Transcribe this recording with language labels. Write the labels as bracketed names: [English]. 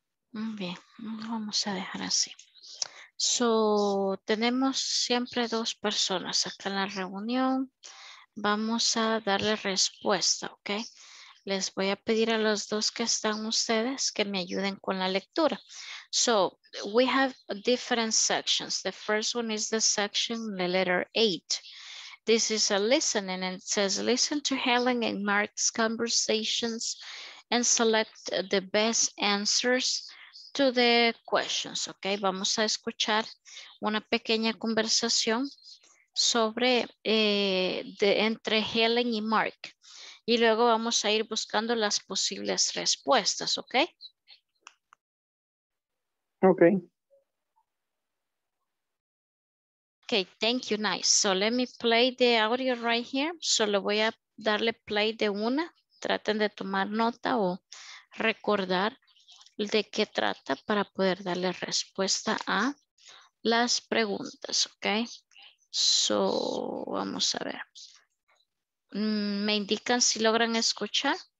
[Spanish] Bien, vamos a dejar así. So, tenemos siempre dos personas acá en la reunión. Vamos a darle respuesta, ¿ok? Les voy a pedir a los dos que están ustedes que me ayuden con la lectura. [English] So, we have different sections. The first one is the section, the letter 8. This is a listening and it says, listen to Helen and Mark's conversations and select the best answers to the questions. [Spanish] Okay, vamos a escuchar una pequeña conversación sobre entre Helen y Mark. Y luego vamos a ir buscando las posibles respuestas, ¿ok? Ok. [English] Ok, thank you, nice. So let me play the audio right here. [Spanish] Solo voy a darle play de una. Traten de tomar nota o recordar de qué trata para poder darle respuesta a las preguntas, ¿ok? So, vamos a ver. ¿Me indican si logran escuchar?